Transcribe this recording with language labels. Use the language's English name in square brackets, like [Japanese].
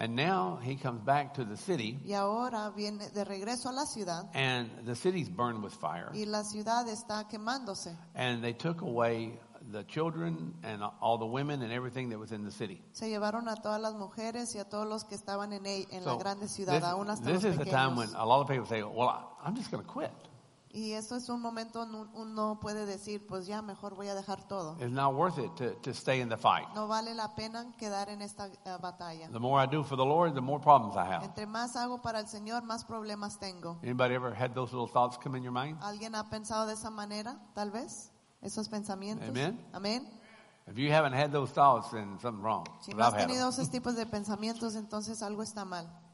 [English] And now he comes back to the city. [Spanish] Y ahora viene de regreso a la ciudad. [English] And the city's burned with fire. [Spanish] Y la ciudad está quemándose. [English] And they took away the children and all the women and everything that was in the city. [Spanish] Se llevaron a todas las mujeres y a todos los que estaban en la grande ciudad, aún hasta los pequeños. [English] This is the time when a lot of people say, "Well, I'm just going to quit." [Spanish] Y eso es un momento uno puede decir, pues ya mejor voy a dejar todo. [English] It's not worth it to stay in the fight. [Spanish] No vale la pena quedar en esta batalla. [English] The more I do for the Lord, the more problems I have. [Spanish] Entre más hago para el Señor, más problemas tengo. [English] Anybody ever had those little thoughts come in your mind? [Spanish] ¿Alguien ha pensado de esa manera, tal vez? Esos pensamientos. Amen. Amen. [English] If you haven't had those thoughts, then something's wrong. [Spanish] Si no has tenido esos tipos de pensamientos, entonces algo está mal.